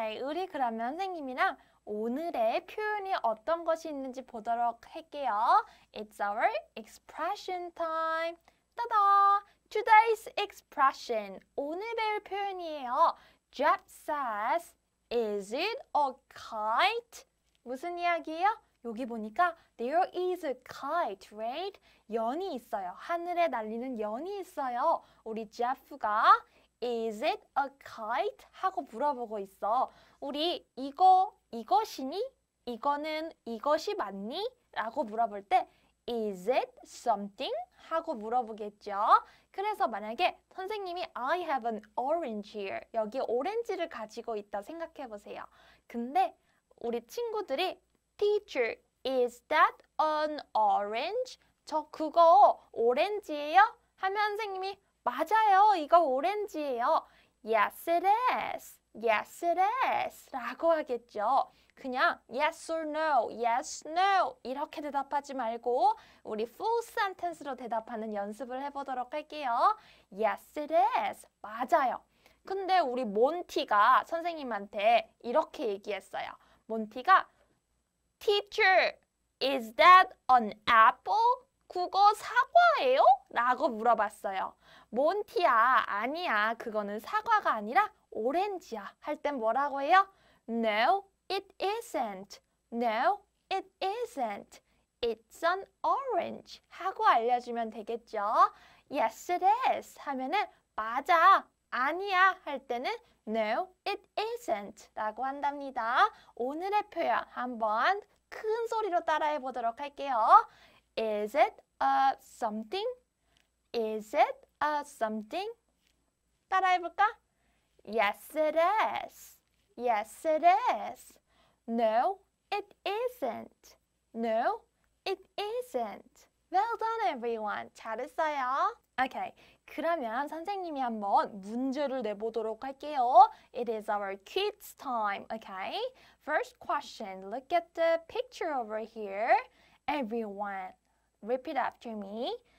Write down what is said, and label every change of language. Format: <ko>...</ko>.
<ko>우리 그러면 선생님이랑 오늘의 표현이 어떤 것이 있는지 보도록 할게요.</ko> <en>It's our expression time.</en> <ko>따다!</ko> <en>Today's expression.</en> <ko>오늘 배울 표현이에요.</ko> <en>Jeff says, Is it a kite?</en> <ko>무슨 이야기예요?</ko> <en>여기 보니까 There is a kite, right?</en> <ko>연이 있어요. 하늘에 날리는 연이 있어요.</ko> <en>우리 Jeff가 Is it a kite?</en> <ko>하고 물어보고 있어. 우리 이것이니? 이거는 이것이 맞니? 라고 물어볼 때</ko> <en>Is it something?</en> <ko>하고 물어보겠죠. 그래서 만약에 선생님이</ko> <en>I have an orange here.</en> <ko>여기 오렌지를 가지고 있다 생각해 보세요.</ko> <en>근데 우리 친구들이 Teacher, is that an orange?</en> <ko>저 그거 오렌지예요? 하면 선생님이 맞아요. 이거 오렌지예요.</ko> <en>Yes, it is. Yes, it is.</en> <ko>라고 하겠죠.</ko> <en>그냥 yes or no, yes, no.</en> <ko>이렇게 대답하지 말고, 우리 full sentence로 대답하는 연습을 해보도록 할게요.</ko> <en>Yes, it is.</en> <ko>맞아요. 근데 우리 몬티가 선생님한테 이렇게 얘기했어요.</ko> <en>몬티가, Teacher, is that an apple?</en> <ko>그거 사과예요? 라고 물어봤어요. 몬티야, 아니야. 그거는 사과가 아니라 오렌지야. 할땐 뭐라고 해요?</ko> <en>No, it isn't. No, it isn't. It's an orange.</en> <ko>하고 알려주면 되겠죠?</ko> <en>Yes, it is.</en> <ko>하면은 맞아. 아니야. 할 때는</ko> <en>No, it isn't.</en> <ko>라고 한답니다. 오늘의 표현 한번 큰 소리로 따라해 보도록 할게요.</ko> <en>Is it a something? Is it a something?</en> <ko>따라해 볼까?</ko> <en>Yes, it is. Yes, it is. No, it isn't. No, it isn't. Well done, everyone.</en> <ko>잘했어요.</ko> <en>Okay.</en> <ko>그러면 선생님이 한번 문제를 내보도록 할게요.</ko> <en>It is our kids time, okay? First question, look at the picture over here. Everyone, repeat after me.</en>